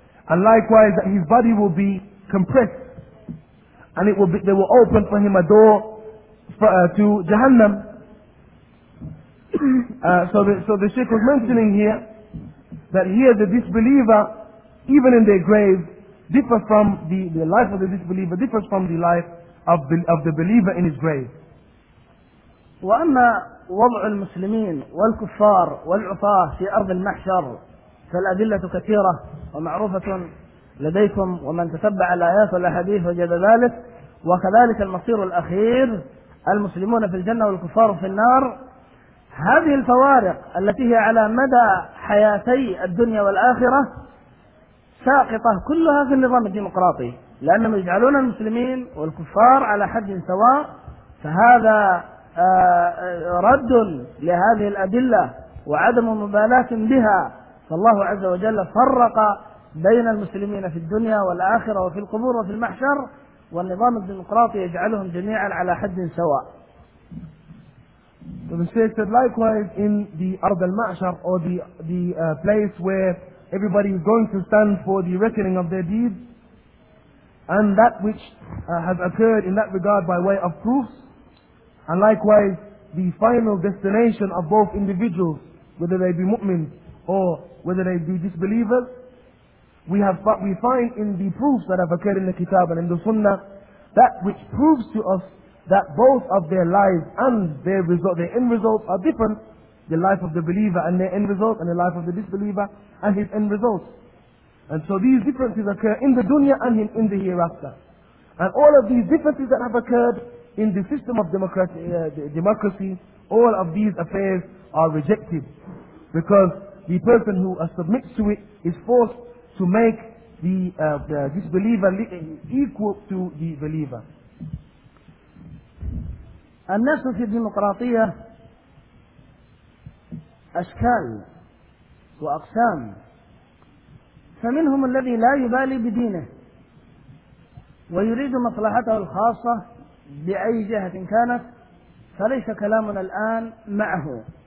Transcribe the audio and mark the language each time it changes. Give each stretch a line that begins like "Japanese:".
English: And likewise, that his body will be compressed and it will be, they will open for him a door for, to Jahannam. So the Shaykh was mentioning here that here the disbeliever, even in their grave, differs from the life of the disbeliever, differs from the life of the believer in his grave.
Arabic: وأما وضع المسلمين والكفار والعفاة في أرض المحشر فالأدلة كثيرة ومعروفة لديكم، ومن تتبع الآيات والأحاديث وجد ذلك، وكذلك المصير الأخير المسلمون في الجنة والكفار في النار. هذه الفوارق التي هي على مدى حياتي الدنيا والآخرة ساقطة كلها في النظام الديمقراطي، لأنهم يجعلون المسلمين والكفار على حد سواء، فهذا رد لهذه الأدلة وعدم مبالاة بها. فالله عز وجل فرق بين المسلمين في الدنيا والآخرة وفي القبور وفي المحشر، والنظام الديمقراطي يجعلهم جميعا على حد سواء.
English: So the Shaykh said, likewise, in the Ard al-Ma'shar, or the place where everybody is going to stand for the reckoning of their deeds, and that which has occurred in that regard by way of proofs, and likewise the final destination of both individuals, whether they be mu'mins or whether they be disbelievers, we find in the proofs that have occurred in the Kitab and in the Sunnah, that which proves to us that both of their lives and their result, their end results are different, the life of the believer and their end result, and the life of the disbeliever and his end results. And so these differences occur in the dunya and in the hereafter. And all of these differences that have occurred in the system of democracy, all of these affairs are rejected. Because the person who submits to it is forced to make the disbeliever equal to the believer.
Arabic: الناس في الديمقراطية أشكال وأقسام، فمنهم الذي لا يبالي بدينه ويريد مصلحته الخاصة بأي جهة كانت، فليس كلامنا الآن معه.